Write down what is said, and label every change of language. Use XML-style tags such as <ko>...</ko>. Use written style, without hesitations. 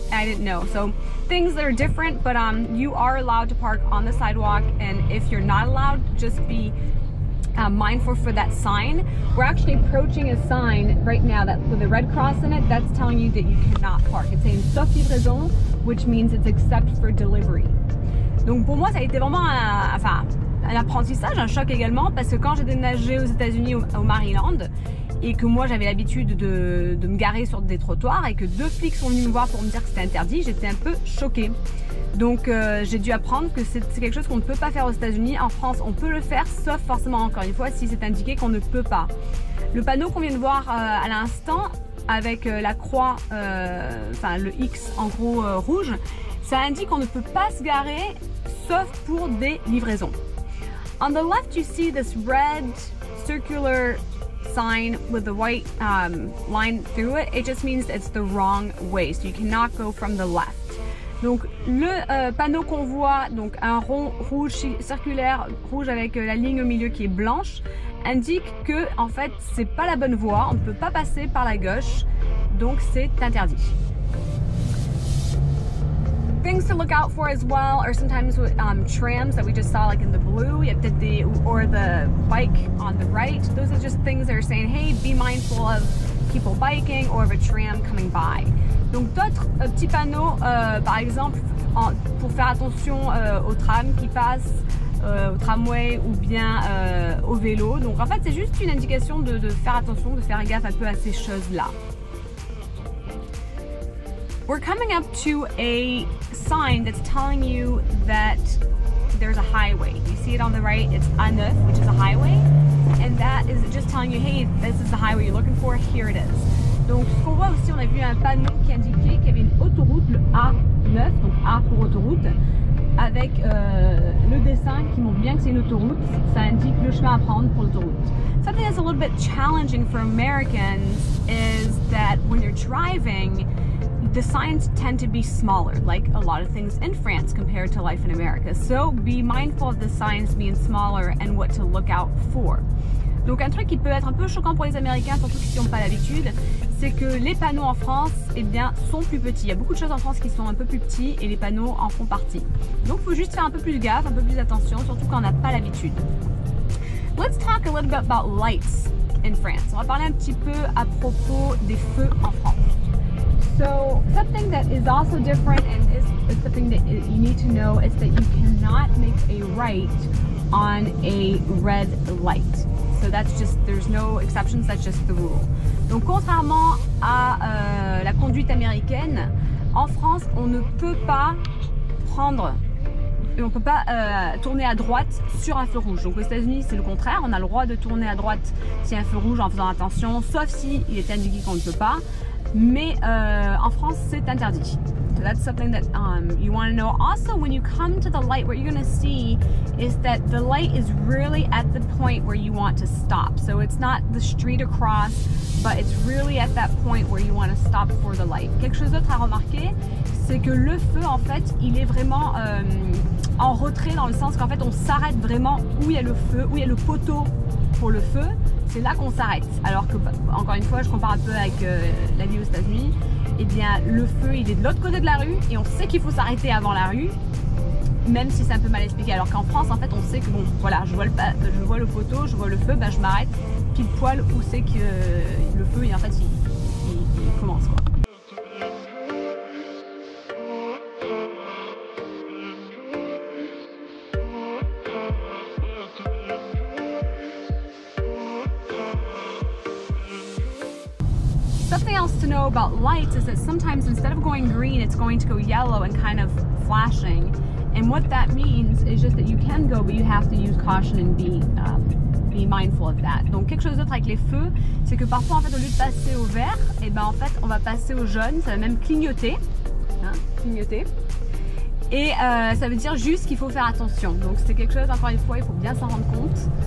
<en>And I didn't know. So things that are different, but you are allowed to park on the sidewalk. And if you're not allowed, just be mindful for that sign. We're actually approaching a sign right now that with a red cross in it, that's telling you that you cannot park. It's saying</en> <fr>sauf livraison,</fr> <en>which means it's except for delivery.</en> <fr>Donc pour moi, ça a été vraiment un apprentissage, un choc également, parce que quand j'ai déménagé aux États-Unis, au Maryland, et que moi j'avais l'habitude de me garer sur des trottoirs, et que deux flics sont venus me voir pour me dire que c'était interdit, j'étais un peu choquée. Donc j'ai dû apprendre que c'est quelque chose qu'on ne peut pas faire aux États-Unis. En France, on peut le faire, sauf forcément, encore une fois, si c'est indiqué qu'on ne peut pas. Le panneau qu'on vient de voir à l'instant, avec la croix, enfin le X en gros rouge, ça indique qu'on ne peut pas se garer sauf pour des livraisons.</fr> <en>On the left you see this red circular sign with the white line through it. It just means it's the wrong way, so you cannot go from the left.</en> <fr>Donc le panneau qu'on voit, donc un rond rouge circulaire rouge avec la ligne au milieu qui est blanche, indique que en fait c'est pas la bonne voie, on ne peut pas passer par la gauche, donc c'est interdit.</fr> <en>Things to look out for as well are sometimes with trams that we just saw like in the blue, you have the, or the bike on the right. Those are just things that are saying, hey, be mindful of people biking or of a tram coming by.</en> <fr>Donc d'autres petits panneaux, par exemple, pour faire attention aux trams qui passent, au tramway ou bien au vélo. Donc en fait, c'est juste une indication de faire attention, de faire gaffe un peu à ces choses-là.</fr> <en>We're coming up to a sign that's telling you that there's a highway. You see it on the right, it's A9, which is a highway. And that is just telling you, hey, this is the highway you're looking for, here it is.</en> <fr>Donc ce qu'on voit aussi, on a vu un panneau qui indiquait qu'il y avait une autoroute, le A9, donc A pour autoroute, avec le dessin qui montre bien que c'est une autoroute, ça indique le chemin à prendre pour l'autoroute.</fr> <en>Something that's a little bit challenging for Americans is that when you're driving, the signs tend to be smaller, like a lot of things in France compared to life in America. So be mindful of the signs being smaller and what to look out for.</en> <fr>Donc un truc qui peut être un peu choquant pour les Américains, surtout s'ils n'ont pas l'habitude, c'est que les panneaux en France, eh bien, sont plus petits. Il y a beaucoup de choses en France qui sont un peu plus petits et les panneaux en font partie. Donc il faut juste faire un peu plus gaffe, un peu plus attention, surtout quand on n'a pas l'habitude.</fr> <en>Let's talk a little bit about lights in France.</en> <fr>On va parler un petit peu à propos des feux en France.</fr> <en>So something that is also different and is something that you need to know is that you cannot make a right on a red light. So that's just, there's no exceptions, that's just the rule.</en> <fr>Donc contrairement à la conduite américaine, en France, on ne peut pas prendre, on peut pas tourner à droite sur un feu rouge. Donc aux États-Unis, c'est le contraire, on a le droit de tourner à droite s'il y a un feu rouge en faisant attention, sauf si il est indiqué qu'on ne peut pas. Mais en France, c'est interdit.</fr> <en>So that's something that you want to know. Also, when you come to the light, what you're going to see is that the light is really at the point where you want to stop. So it's not the street across, but it's really at that point where you want to stop for the light.</en> <fr>Quelque chose d'autre à remarquer, c'est que le feu, en fait, il est vraiment en retrait dans le sens qu'en fait, on s'arrête vraiment où il y a le feu, où il y a le poteau pour le feu. C'est là qu'on s'arrête. Alors que, encore une fois, je compare un peu avec la vie aux États-Unis. Eh bien, le feu, il est de l'autre côté de la rue et on sait qu'il faut s'arrêter avant la rue, même si c'est un peu mal expliqué. Alors qu'en France, en fait, on sait que bon, voilà, je vois le poteau, je vois le feu, ben je m'arrête pile poil où c'est que le feu, et en fait, il commence quoi.</fr> <en>To know about lights is that sometimes instead of going green, it's going to go yellow and kind of flashing. And what that means is just that you can go, but you have to use caution and be mindful of that.</en> <fr>Donc quelque chose d'autre avec les feux, c'est que parfois en fait au lieu de passer au vert, et ben en fait on va passer au jaune, ça va même clignoter, hein, clignoter. Et ça veut dire juste qu'il faut faire attention. Donc c'est quelque chose encore une fois, il faut bien s'en rendre compte.</fr>